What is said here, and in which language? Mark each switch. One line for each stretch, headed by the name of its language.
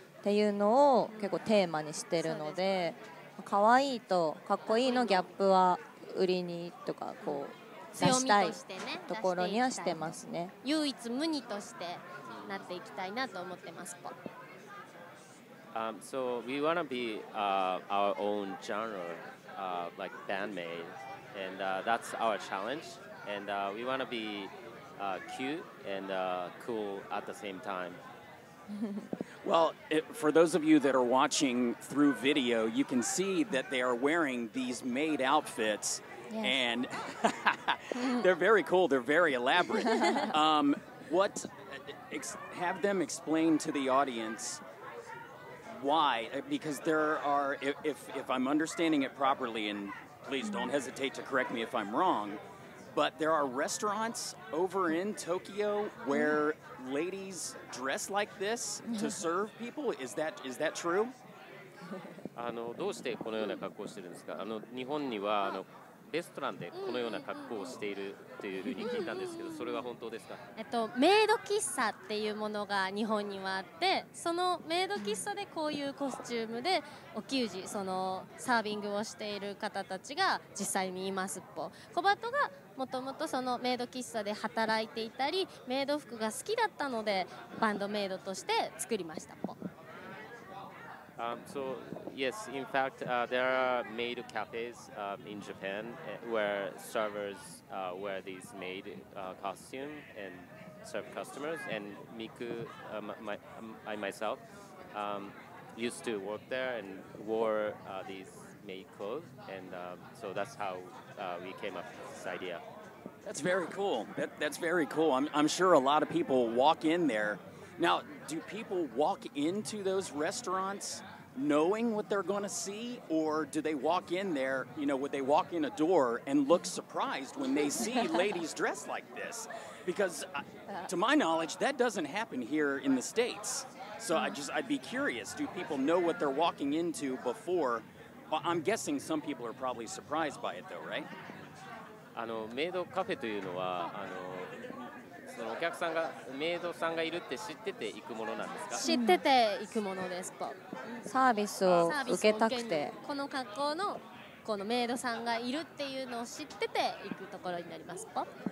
Japanese: っていうのを結構テーマにしてるので、可愛いとかっこいいのギャップは売りにとかこう出したいところにはしてますね。唯一無二としてなっていきたいなと思ってます。
English: So we want to be our own genre, like band-maid, and that's our challenge. And we want to be cute and cool at the same time. Well, for those of you that are watching through video, you can see that they are wearing these maid outfits, And they're very cool. They're very elaborate. What have them explain to the audience why? Because there are, if I'm understanding it properly, and please don't hesitate to correct me if I'm wrong, but there are restaurants over in Tokyo where ladies dress like this to serve people. Is that true?
Japanese: どうしてこのような格好をしているんですか？日本にはレストランでこのような格好をしているというふうに聞いたんですけど、それは本当ですか？メイド喫茶っていうものが日本にはあって、そのメイド喫茶でこういうコスチュームでお給仕、そのサービングをしている方たちが実際にいますっぽ。コバトがもともとそのメイド喫茶で働いていたり、メイド服が好きだったのでバンドメイドとして作りましたっぽ。
English: So yes, in fact, there are maid cafes in Japan where servers wear these maid costume and serve customers. And Miku, myself, used to work there and wore these maid clothes. And so that's how we came up with this idea. That's very cool. That's very cool. I'm sure a lot of people walk in there. Now, do people walk into those restaurants knowing what they're going to see, or do they walk in there, you know, would they walk in a door and look surprised when they see ladies dressed like this? Because to my knowledge, that doesn't happen here in the States. So I'd be curious, do people know what they're walking into before? Well, I'm guessing some people are probably surprised by it though, right?
Japanese: メイドカフェというのはそのお客さんがメイドさんがいるって知ってて行くものなんですか？知ってて行くものですと。サービスを受けたくて、この格好のこのメイドさんがいるっていうのを知ってて行くところになりますと。